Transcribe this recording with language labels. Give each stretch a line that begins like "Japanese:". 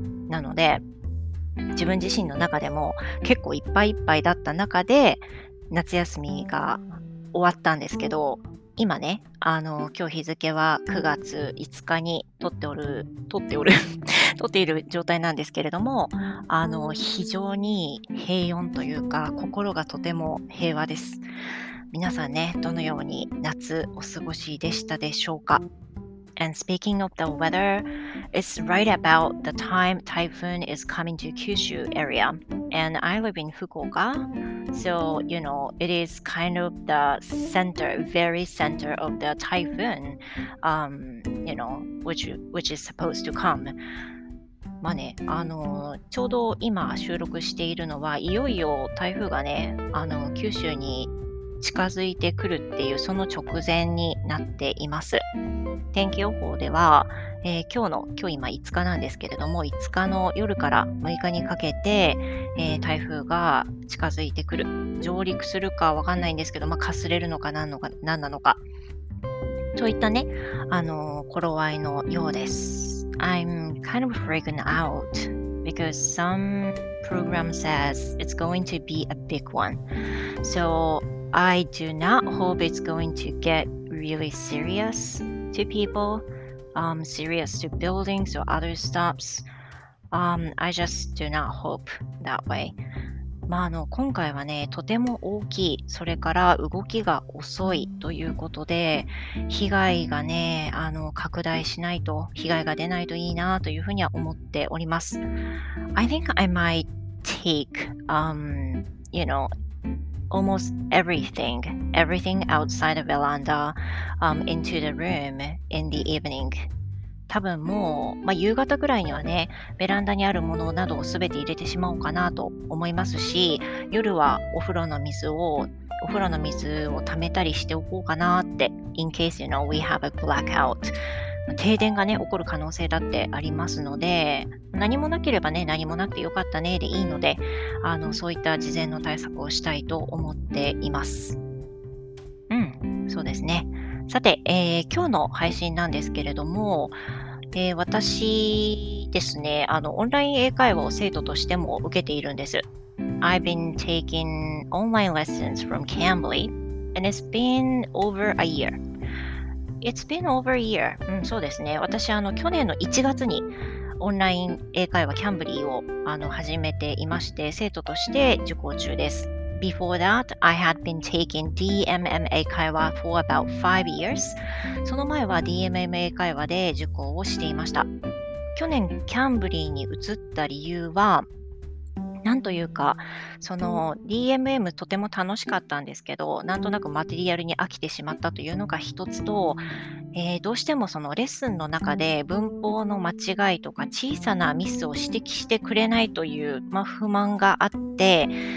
Japanese: なので、自分自身の中でも結構いっぱいいっぱいだった中で、夏休みが終わったんですけど、今ね、今日日付は9月5日に撮っている状態なんですけれども、非常に平穏というか、心がとても平和です。皆さんね、どのように夏お過ごしでしたでしょうか。
English: And speaking of the weather, it's right about the time typhoon is coming to Kyushu area. And I live in Fukuoka, so you know, it is kind of the center, very center of the typhoon, you know, which is supposed to come.
Japanese: まあね、ちょうど今収録しているのは、いよいよ台風がね、九州に近づいてくるっていうその直前になっています。天気予報では、今今5日なんですけれども、5日の夜から6日にかけて、台風が近づいてくる、上陸するかわかんないんですけど、かすれるのか何なのかといったね、頃合いのようです。
English: I'm kind of freaking out because some program says it's going to be a big one. So I do not hope it's going to get really serious to people, serious to buildings or other stops. I just do not hope that way.
Japanese: 今回はね、とても大きい、それから動きが遅いということで、被害がね、拡大しないと、被害が出ないといいなというふうには思っております。
English: I think I might take, you know, almost everything, everything outside the veranda, into the room in the evening.
Japanese: 多分もう、夕方ぐらいにはね、ベランダにあるものなどをすべて入れてしまおうかなと思いますし、夜はお風呂の水を溜めたりしておこうかなって、
English: in case, you know, we have a blackout.
Japanese: 停電がね、起こる可能性だってありますので、何もなければね、何もなくてよかったねでいいので、そういった事前の対策をしたいと思っています。うん、そうですね。さて、今日の配信なんですけれども、私ですね、オンライン英会話を生徒としても受けているんです。
English: I've been taking online lessons from Cambly, and it's been over a year. It's been over a year.
Japanese: うん、そうですね。私、去年の1月にオンライン英会話キャンブリーを始めていまして、生徒として受講中です。
English: Before that, I had been taking DMMA 会話 for about 5 years.
Japanese: その前は DMMA 会話で受講をしていました。去年、キャンブリーに移った理由は、なんというか、その DMM とても楽しかったんですけど、なんとなくマテリアルに飽きてしまったというのが一つと、どうしてもそのレッスンの中で文法の間違いとか小さなミスを指摘してくれないという、不満があって、ネ